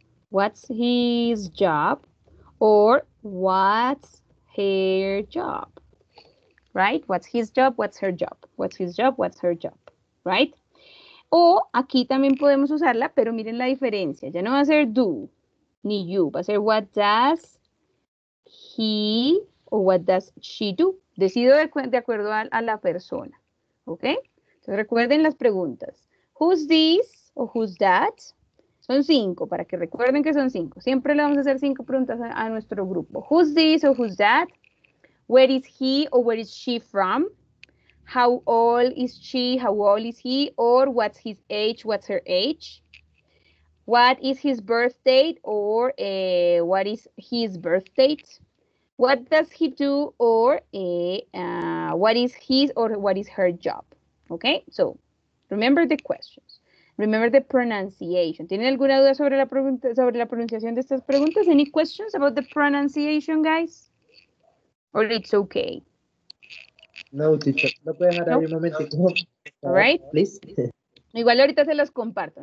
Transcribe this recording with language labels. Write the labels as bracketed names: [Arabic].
[English] What's his job? Or what's her job? Right? What's his job? What's her job? What's his job? What's her job? Right? [Spanish] O aquí también podemos usarla, pero miren la diferencia. Ya no va a ser do, ni you. Va a ser [English] what does he o what does she do. [Spanish] Decido de acuerdo a la persona. ¿Ok? Entonces recuerden las preguntas. [English] Who's this o who's that? [Spanish] Son cinco, para que recuerden que son cinco. Siempre le vamos a hacer cinco preguntas a nuestro grupo. [English] Who's this o who's that? Where is he or where is she from? How old is she? How old is he? Or what's his age? What's her age? What is his birth date? Or what is his birth date? What does he do? Or what is his or what is her job? Okay, so remember the questions. Remember the pronunciation. [Spanish] ¿Tienen alguna duda sobre la pregunta, sobre la pronunciación de estas preguntas? [English] Any questions about the pronunciation, guys? Or it's okay. [Spanish] No, teacher. No puede dejar ahí un momento. [English] All right. Please. [Spanish] Igual ahorita se las comparto.